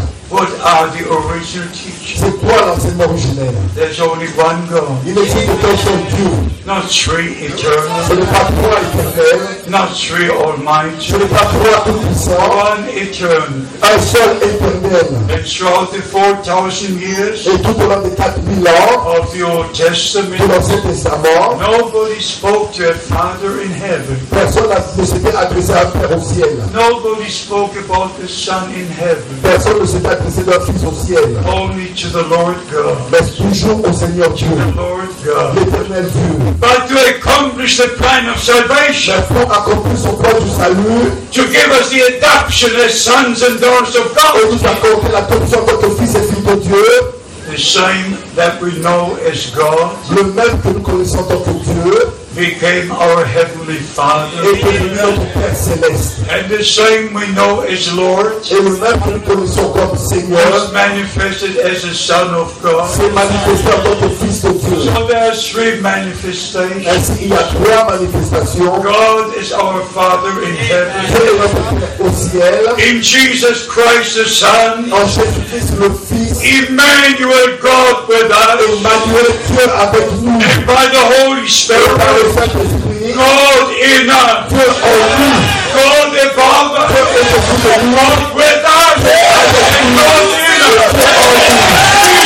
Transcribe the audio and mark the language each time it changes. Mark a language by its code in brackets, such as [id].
[en] What are the original teachings? [fr] C'est quoi l'enseignement originel? [en] There's only one God. [fr] Il n'existe qu'un seul Dieu. [en] Not three eternal. [fr] Ce n'est pas trois éternels. [en] Not three almighty. [fr] Ce n'est pas trois tout-puissants. [en] One eternal. [fr] Un seul éternel. [en] And throughout the 4,000 years. [fr] Et tout au long des 4,000 ans. [en] Of the Old Testament. [fr] De l'Ancien Testament. [en] Nobody spoke to a Father in heaven. [fr] Personne ne s'était adressé à un Père au ciel. [en] Nobody spoke about the Son in heaven. [fr] Personne ne s'est adressé d'un Fils au ciel. [en] Only to the Lord God. [fr] Mais toujours au Seigneur Dieu. [en] The Lord God. [fr] L'éternel Dieu. [en] But to accomplish the plan of salvation, [fr] pour accomplir son plan du salut, [en] to give us the adoption as sons and daughters of God, [fr] pour nous accorder l'adoption en tant que fils et filles de Dieu, [en] the same that we know as God, [fr] le même que nous connaissons en tant que Dieu, [en] became our heavenly Father, [fr] est devenu notre Père céleste, [en] and the same we know as Lord, [fr] et le même que nous connaissons comme Seigneur, [en] was manifested as a Son of God, [fr] s'est manifesté en tant que Fils de Dieu. [en] So there are three manifestations. [fr] Ainsi, il y a trois manifestations. [en] God is our Father in heaven. [fr] Dieu est notre Père au ciel. [en] In Jesus Christ the Son. [fr] En Jésus Christ le Fils. [en] Emmanuel, God with us. [fr] Emmanuel, Dieu avec nous. [en] And by the Holy Spirit. God in us, God above us, God with us, and God in us.